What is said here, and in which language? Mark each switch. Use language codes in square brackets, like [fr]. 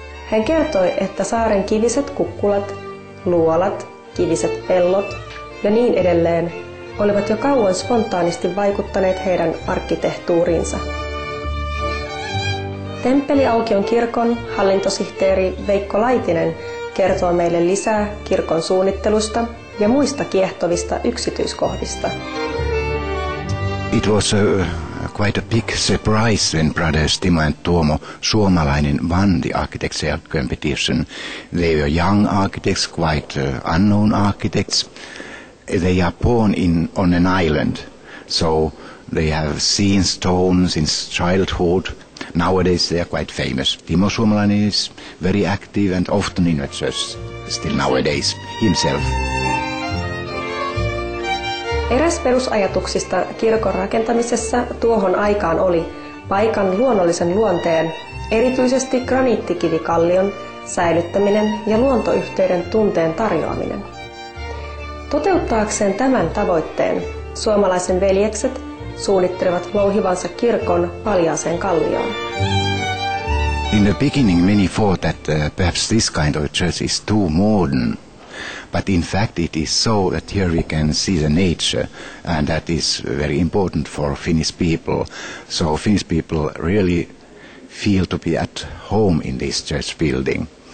[fi] Hän kertoi, että saaren kiviset kukkulat, luolat, kiviset pellot ja niin edelleen olivat jo kauan spontaanisti vaikuttaneet heidän arkkitehtuuriinsa. Temppeliaukion kirkon hallintosihteeri Veikko Laitinen kertoo meille lisää kirkon suunnittelusta ja muista kiehtovista yksityiskohdista. [en] It was quite a big surprise when brothers Timo and Tuomo Suomalainen won the architectural competition. They were young architects, quite unknown architects. They are born on an island, so they have seen stone since childhood. Nowadays they are quite famous. Timo Suomalainen is very active and often in the church, still nowadays, himself. [fi] Eräs perusajatuksista kirkon rakentamisessa tuohon aikaan oli paikan luonnollisen luonteen, erityisesti graniittikivikallion, säilyttäminen ja luontoyhteyden tunteen tarjoaminen. Toteuttaakseen tämän tavoitteen, suomalaisen veljekset suunnittelevat louhivansa kirkon paljaaseen kallioon. [en] In the beginning many thought that perhaps this kind of church is too modern. But in fact it is so that here we can see the nature, and that is very important for Finnish people. So Finnish people really feel to be at home in this church building.